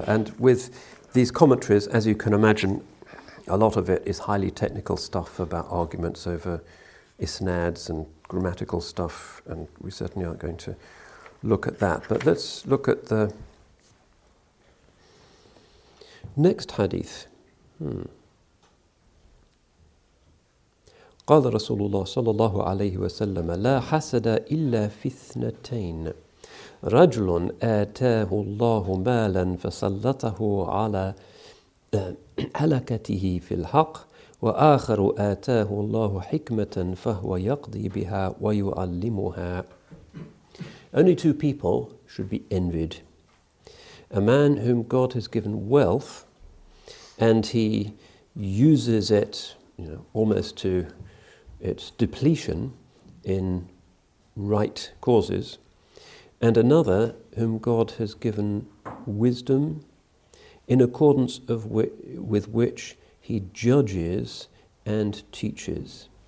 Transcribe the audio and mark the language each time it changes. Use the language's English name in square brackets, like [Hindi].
[English] And with these commentaries, as you can imagine, a lot of it is highly technical stuff about arguments over isnads and grammatical stuff, and we certainly aren't going to look at that. But let's look at the next hadith. [Arabic] قال رسول الله صلى الله عليه وسلم لا حسد إلا في اثنتين رجل آتاه الله مالا فسلطه على هلكته في الحق وآخر آتاه الله حكمة فهو يقضي بها ويعلمها. [English] Only two people should be envied. A man whom God has given wealth and he uses it, you know, almost to its depletion in right causes, and another whom God has given wisdom in accordance of with which he judges and teaches.